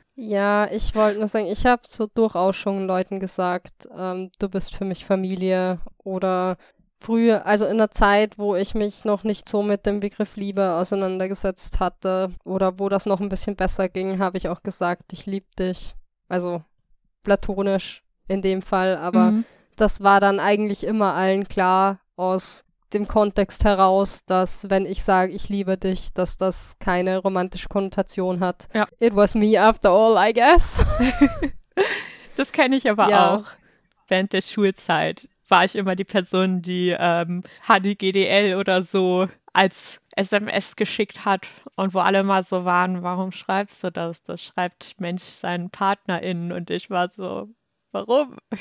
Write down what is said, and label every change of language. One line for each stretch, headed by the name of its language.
German: Ja, ich wollte nur sagen, ich habe so durchaus schon Leuten gesagt, du bist für mich Familie oder früher, also in der Zeit, wo ich mich noch nicht so mit dem Begriff Liebe auseinandergesetzt hatte oder wo das noch ein bisschen besser ging, habe ich auch gesagt, ich liebe dich, also platonisch in dem Fall, aber das war dann eigentlich immer allen klar aus dem Kontext heraus, dass wenn ich sage, ich liebe dich, dass das keine romantische Konnotation hat. Ja.
English: It was me after all, I guess.
German: Das kenne ich aber auch. Während der Schulzeit war ich immer die Person, die HDGDL oder so als SMS geschickt hat und wo alle mal so waren, warum schreibst du das? Das schreibt Mensch seinen PartnerInnen und ich war so, warum?